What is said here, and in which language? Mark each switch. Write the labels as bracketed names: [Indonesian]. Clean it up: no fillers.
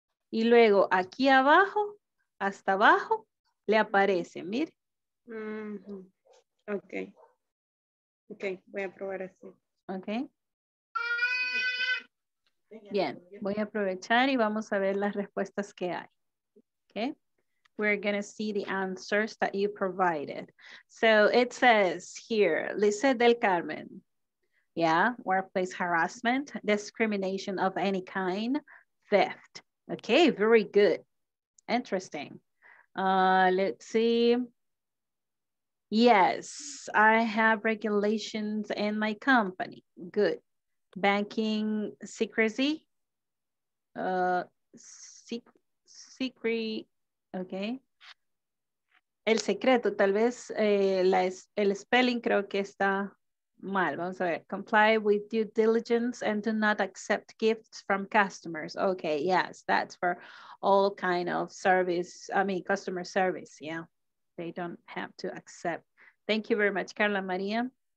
[Spanish] Y luego, aquí abajo, hasta abajo, le aparece, mire. Ok. Ok, voy a probar así. Ok. Bien, voy a aprovechar y vamos a ver las respuestas que hay. [English] Okay. We're going to see the answers that you provided. So it says here, Lisa del Carmen. Yeah, workplace harassment, discrimination of any kind, theft. Okay, very good. Interesting. Let's see. Yes, I have regulations in my company. Good. Banking secrecy, okay. [Spanish] El secreto, tal vez el spelling creo que está mal. Vamos a ver. [English] Comply with due diligence and do not accept gifts from customers. Okay, yes, that's for all kind of service, I mean, customer service, yeah. they don't have to accept. Thank you very much, Carla Maria.